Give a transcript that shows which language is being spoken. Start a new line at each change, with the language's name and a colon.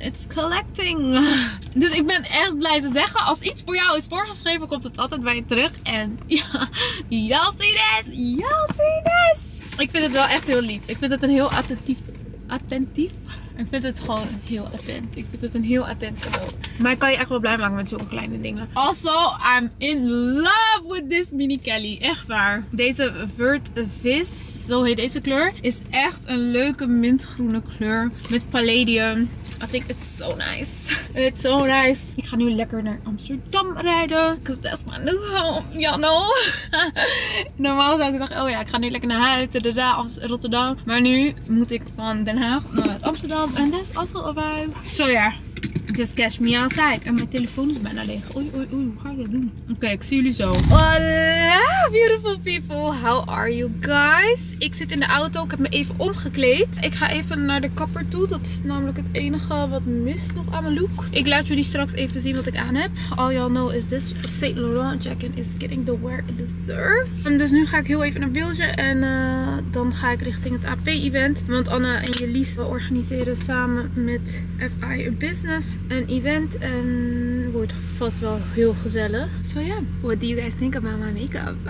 English: It's collecting.
Dutch: Dus ik ben echt blij te zeggen, als iets voor jou is voorgeschreven, komt het altijd bij je terug. En ja,
English: y'all see this. Y'all see this.
Dutch: Ik vind het wel echt heel lief. Ik vind het een heel attentief... Attentief? Ik vind het gewoon heel attent. Ik vind het een heel attent cadeau. Maar ik kan je echt wel blij maken met zo'n kleine dingen.
English: Also, I'm in love with this mini Kelly.
Dutch: Echt waar. Deze Vert Vis, zo heet deze kleur, is echt een leuke mintgroene kleur. Met palladium.
English: I think it's so nice. It's so nice.
Dutch: Ik ga nu lekker naar Amsterdam rijden.
English: Because that's my new home, y'all know.
Dutch: Normaal zou ik zeggen, oh ja, ik ga nu lekker naar huis, Rotterdam. Maar nu moet ik van Den Haag naar Amsterdam.
English: And that's also a vibe. So yeah, just catch me outside.
Dutch: En mijn telefoon is bijna leeg. Oei, oei, oei, hoe ga ik dat doen? Oké, ik zie jullie zo. Hola,
English: beautiful people. How are you guys?
Dutch: Ik zit in de auto. Ik heb me even omgekleed. Ik ga even naar de kapper toe. Dat is namelijk het enige wat mist nog aan mijn look. Ik laat jullie straks even zien wat ik aan heb.
English: All y'all know is this Saint Laurent jacket is getting the wear it deserves.
Dutch: Dus nu ga ik heel even naar Bilge. En dan ga ik richting het AP-event. Want Anna en Jelies, we organiseren samen met FI een business. Een event en wordt vast wel heel gezellig.
English: So yeah, what do you guys think about my makeup?